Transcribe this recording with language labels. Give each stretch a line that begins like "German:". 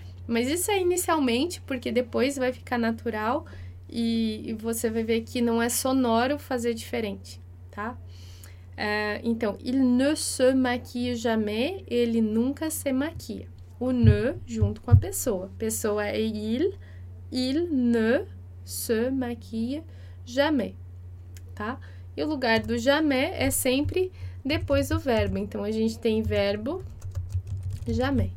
Portuguese: Mas isso é inicialmente, porque depois vai ficar natural e você vai ver que não é sonoro fazer diferente, tá? Então,
French: il ne se maquille jamais,
Portuguese: ele nunca se maquia. o ne junto com a pessoa. Pessoa é il.
French: Il ne se maquille jamais.
Portuguese: Tá? E o lugar do jamais é sempre depois do verbo. Então, a gente tem verbo jamais.